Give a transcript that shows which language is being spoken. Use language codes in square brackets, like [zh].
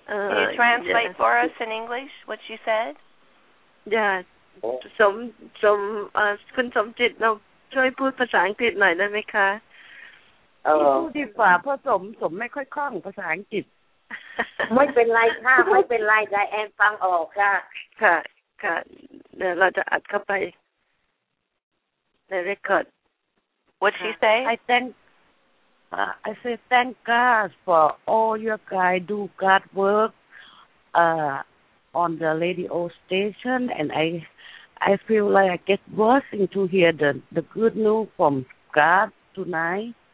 [en] Can you translate for us in English what you said? [th] Yeah. สมคุณสมจิตเนาะ ช่วยพูดภาษาอังกฤษหน่อยได้ไหมคะพูดดีกว่าผสมไม่ค่อยคล่องภาษาอังกฤษไม่เป็นไรค่ะแต่แอนฟังออกค่ะเดี๋ยวเราจะอัดเข้าไปในเรคคอร์ด [en] What she say I say thank God for all your guys do God work on the radio station and I I feel like I get blessing to hear the good news from God tonight.